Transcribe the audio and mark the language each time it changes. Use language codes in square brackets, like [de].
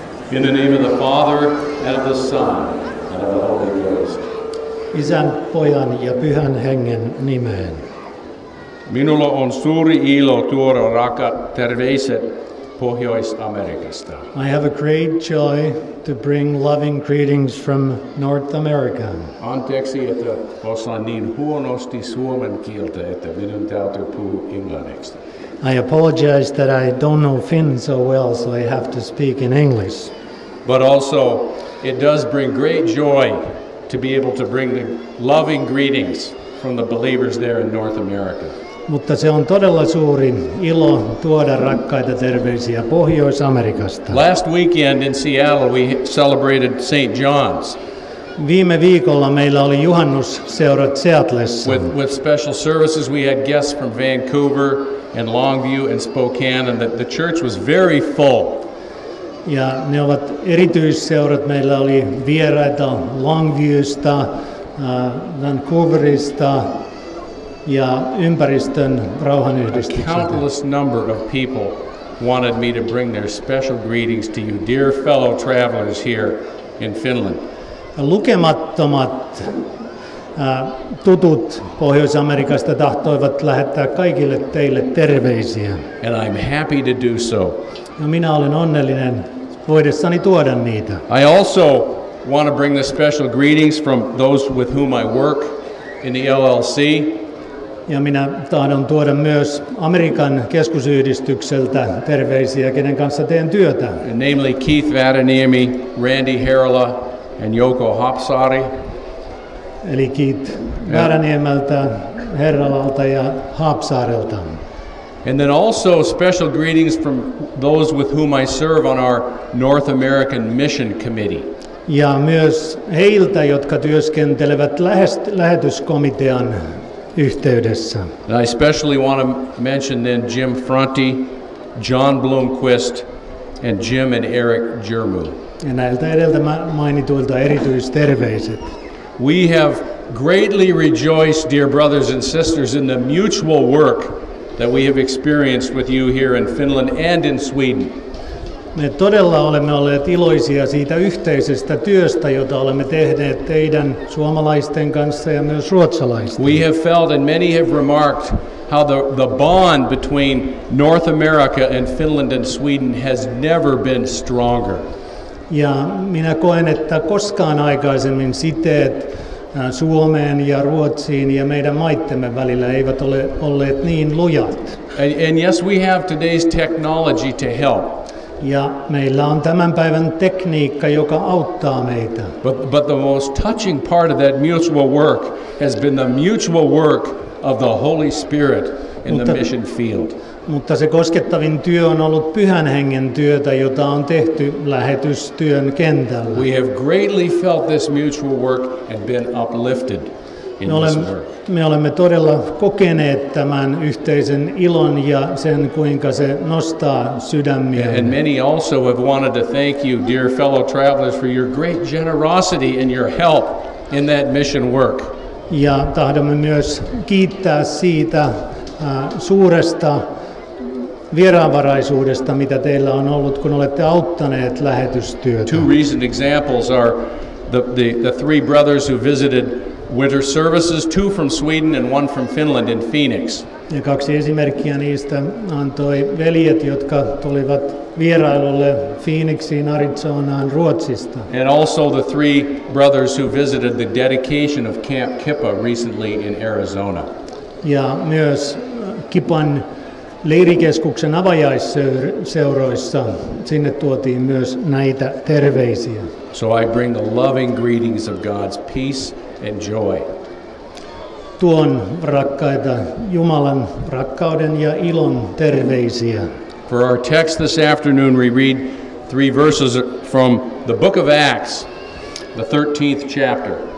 [en] In the name of the Father, and of the Son, and of the Holy Ghost. [fi] Isän, Pojan ja Pyhän Hengen nimeen. Minulla on suuri ilo tuoda rakat terveiset Pohjois-Amerikasta. [en] I have a great joy to bring loving greetings from North America. [fi] Anteeksi, että osaan niin huonosti suomen kieltä, että minun täytyy puhua englanniksi. [en] I apologize that I don't know Finn so well, so I have to speak in English. But also, it does bring great joy to be able to bring the loving greetings from the believers there in North America. [fi] Mutta se on todella suuri ilo tuoda rakkaita terveisiä Pohjois-Amerikasta. [en] Last weekend in Seattle we celebrated St. John's. [fi] Viime viikolla meillä oli juhannusseurat Seattlessa. [en] With special services we had guests from Vancouver and Longview and Spokane, and the church was very full. [fi] Ja ne ovat erityisseurat. Meillä oli vieraita Longviewsta, Vancouverista ja ympäristön rauhanyhdistykseltä. [en] Countless number of people wanted me to bring their special greetings to you, dear fellow travelers here in Finland. [fi] Lukemattomat tutut Pohjois-Amerikasta tahtoivat lähettää kaikille teille terveisiä. [en] And I'm happy to do so. [fi] Ja minä olen onnellinen voidessani tuoda niitä. [en] I also want to bring the special greetings from those with whom I work in the LLC. [fi] Ja minä tahdon tuoda myös Amerikan keskusyhdistykseltä terveisiä, kenen kanssa teen työtä. [en] And namely Keith Vataniemi, Randy Harrella and Joko Hapsari. [fi] Eli Keith Vataniemeltä, Herralalta ja Haapsaarelta. [en] And then also special greetings from those with whom I serve on our North American Mission Committee. [fi] Ja myös heiltä, jotka työskentelevät lähetyskomitean yhteydessä. [en] And I especially want to mention then Jim Fronti, John Bloomquist, and Jim and Eric Jermu. [fi] Ja näiltä edeltä mainituilta erityisterveiset. [en] We have greatly rejoiced, dear brothers and sisters, in the mutual work that we have experienced with you here in Finland and in Sweden. [fi] Me todella olemme olleet iloisia siitä yhteisestä työstä, jota olemme tehneet teidän suomalaisten kanssa ja myös ruotsalaisten. [en] We have felt, and many have remarked, how the bond between North America and Finland and Sweden has never been stronger. [fi] Ja minä koen, että koskaan aikaisemmin siteet Suomeen ja Ruotsiin ja meidän maittemme välillä eivät ole olleet niin lujat. [en] And yes, we have today's technology to help. [fi] Ja meillä on tämän päivän tekniikka, joka auttaa meitä. [en] But the most touching part of that mutual work has been the mutual work of the Holy Spirit in the mission field. [fi] Mutta se koskettavin työ on ollut Pyhän Hengen työtä, jota on tehty lähetystyön kentällä. [en] We have greatly felt this mutual work and been uplifted in this work. [fi] Me olemme todella kokeneet tämän yhteisen ilon ja sen, kuinka se nostaa sydämiä. [en] And many also have wanted to thank you, dear fellow travelers, for your great generosity and your help in that mission work. [fi] Ja tahdomme myös kiittää siitä suuresta vieraanvaraisuudesta, mitä teillä on ollut, kun olette auttaneet lähetystyötä. [en] Two recent examples are the three brothers who visited winter services, two from Sweden and one from Finland in Phoenix. [fi] Ja kaksi esimerkkiä niistä antoi veljet, jotka tulivat vierailulle Phoenixiin, Arizonaan, Ruotsista. [en] And also the three brothers who visited the dedication of Camp Kippa recently in Arizona. [fi] Ja myös Kipan leirikeskuksen avajaisseuroissa sinne tuotiin myös näitä terveisiä. [en] So I bring the loving greetings of God's peace and joy. [fi] Tuon rakkaita Jumalan rakkauden ja ilon terveisiä. [en] For our text this afternoon we read three verses from the book of Acts, the 13th chapter.